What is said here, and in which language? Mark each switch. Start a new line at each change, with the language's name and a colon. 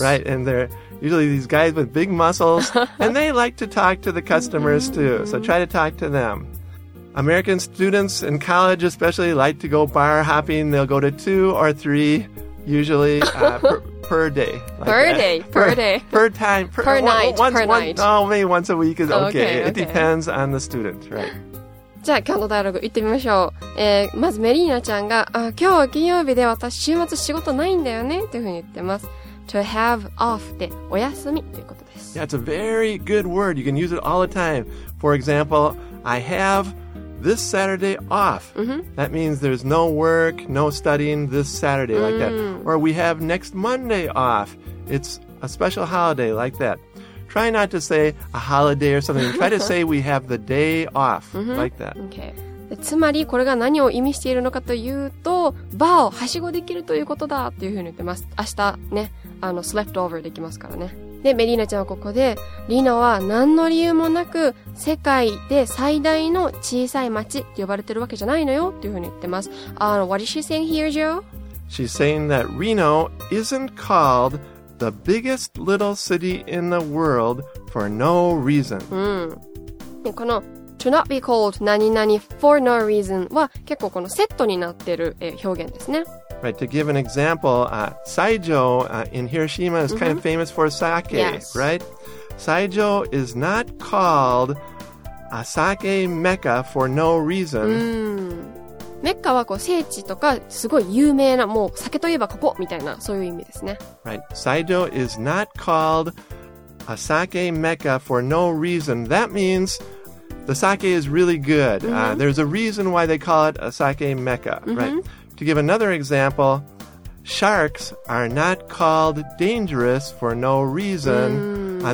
English: Right, and they're usually these guys with big muscles, and they like to talk to the customers too, so try to talk to them. American students in college especially like to go bar hopping. They'll go to two or three usually per day. Per night. Maybe once a week is okay. It depends on the student, right?
Japanese: じゃあ今日のダイアログ行ってみましょう。まずメリーナちゃんが、今日は金曜日で私週末仕事ないんだよねというふうに言ってます。
English: To have off
Japanese: でお休みということです。
English: Yeah, it's a very good word. You can use it all the time. For example, I have... This Saturday off. Mm-hmm. That means there's no work, no studying this Saturday like that. Or we have next Monday off. It's a special holiday like that. Try not to say a holiday or something. Try to say we have the day off like that. Okay.
Japanese: つまりこれが何を意味しているのかというと、バーをはしごできるということだというふうに言ってます。明日ね、
English: slept over
Japanese: できますからね。で、メリーナちゃんはここで、リナは何の理由もなく、世界で最大の小さい町って呼ばれてるわけじゃないのよっていうふうに言ってます。
English: What is she saying here, Joe? She's saying that Reno isn't called the biggest little city in the world for no reason.
Japanese: この
English: to not be called
Japanese: 何々
English: for no reason
Japanese: は結構このセットになってる表現ですね。
English: Right, to give an example, Saijo in Hiroshima is kind of famous for sake, right? Saijo is not called a sake mecca for no reason.
Japanese: Mecca はこう聖地とかすごい有名なもう酒といえばここみたいなそういう意味ですね。
English: Right, Saijo is not called a sake mecca for no reason. That means The sake is really good. Mm-hmm. There's a reason why they call it a sake mecca, mm-hmm. right? To give another example, sharks are not called dangerous for no reason. Mm.